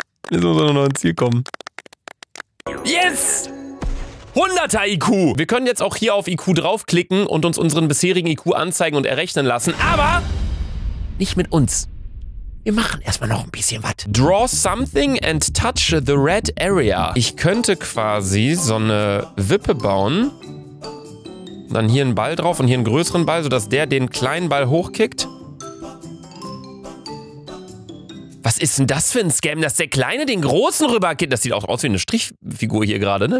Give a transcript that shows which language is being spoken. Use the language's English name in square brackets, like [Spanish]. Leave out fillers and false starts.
[German] Jetzt muss er noch ein Ziel kommen. Yes! 100er IQ! Wir können jetzt auch hier auf IQ draufklicken und uns unseren bisherigen IQ anzeigen und errechnen lassen, aber nicht mit uns. Wir machen erstmal noch ein bisschen was. [English] Draw something and touch the red area. [German] Ich könnte quasi so eine Wippe bauen. Dann hier einen Ball drauf und hier einen größeren Ball, sodass der den kleinen Ball hochkickt. Was ist denn das für ein Scam, dass der Kleine den Großen rüberkickt? Das sieht auch aus wie eine Strichfigur hier gerade, ne?